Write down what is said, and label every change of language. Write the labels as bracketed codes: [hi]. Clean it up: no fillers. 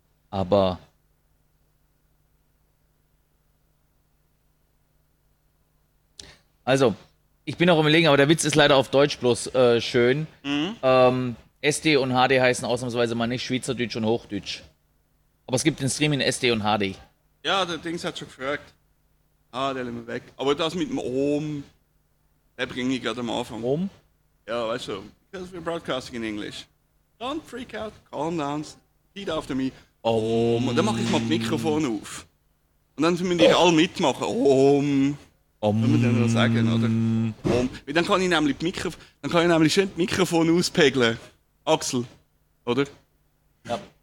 [de] Aber also, ich bin auch im Überlegen, aber der Witz ist leider auf Deutsch bloß schön. Mhm. SD und HD heißen ausnahmsweise mal nicht Schweizerdeutsch und Hochdeutsch. Aber es gibt den Stream in SD und HD. Ja, der Dings hat schon gefragt. Ah, der lehnt mir weg. Aber das mit dem Ohm, der bringe ich gerade am Anfang. Ohm? Ja, weißt du, [en] because we're broadcasting in English. Don't freak out, calm down, repeat after me. Oh, [de] und dann mache ich mal das Mikrofon auf. Und dann müssen wir alle mitmachen. Om. Om. Wenn wir dann noch sagen, oder? Om. Weil dann kann ich nämlich schön das Mikrofon auspegeln. Axel. Oder? Ja.